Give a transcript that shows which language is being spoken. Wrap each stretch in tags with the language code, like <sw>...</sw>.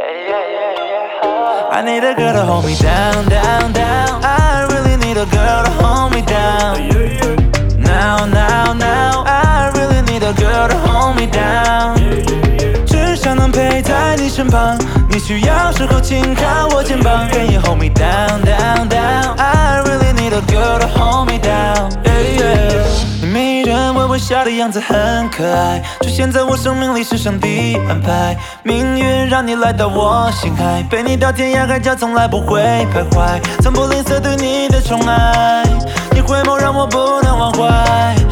<en>I need a girl to hold me down, down, down. I really need a girl to hold me down. Now, now, now. I really need a girl to hold me down.</en> <zh>只想能陪在你身旁，你需要时候紧靠我肩膀。</zh> <en>Can you hold me down, down, down? I really need a girl to hold me down.</en> <zh>Yeah, 你迷人微微笑的样子很可爱，出现在我生命里是上帝安排。命运让你来到我心海，陪你到天涯海角从来不会徘徊，从不吝啬对你的宠爱，你回眸让我不能忘怀。</zh>